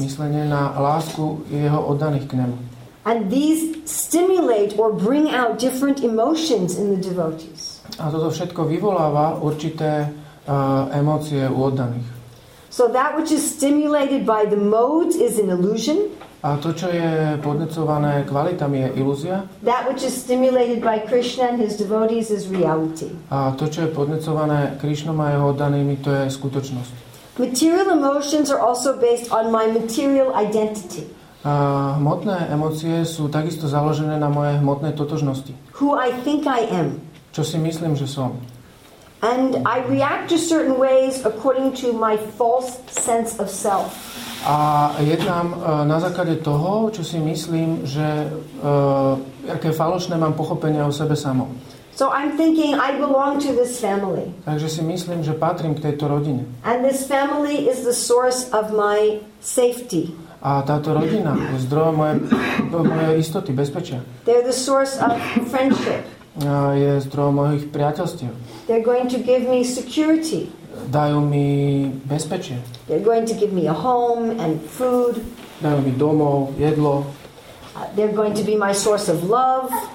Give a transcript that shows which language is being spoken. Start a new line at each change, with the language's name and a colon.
Slovak: Myslenie na lásku jeho oddaných k nemu.
English: And these stimulate or bring out different emotions in the devotees.
Slovak: A toto všetko vyvoláva určité emócie u oddaných.
English: So that which is stimulated by the modes is an illusion.
Slovak: A to, čo je podnecované kvalitami, je ilúzia.
English: That which is stimulated by Krishna and his devotees is reality.
Slovak: A to, čo je podnecované Krishnom a jeho oddanými, to je skutočnosť.
English: Material emotions are also based on my material identity.
Slovak: Hmotné emócie sú takisto založené na moje hmotné totožnosti.
English: Who I think I am.
Slovak: Čo si myslím, že som.
English: And I react to certain ways according to my false sense of self.
Slovak: A jednám na základe toho, čo si myslím, že aké falošné mám pochopenie o sebe samom.
English: So I'm thinking I belong to this family.
Slovak: Takže si myslím, že patrím k tejto rodine.
English: And this family is the source of my safety.
Slovak: A táto rodina je zdrojom mojej istoty, bezpečia.
English: They're the source of friendship.
Slovak: Je zdrojom mojich priateľstiev.
English: They're going to give me security.
Slovak: Dajú mi bezpečie.
English: They're going to give me a home and food.
Slovak: Dajú mi domov, jedlo.
English: They're going to be my source of love.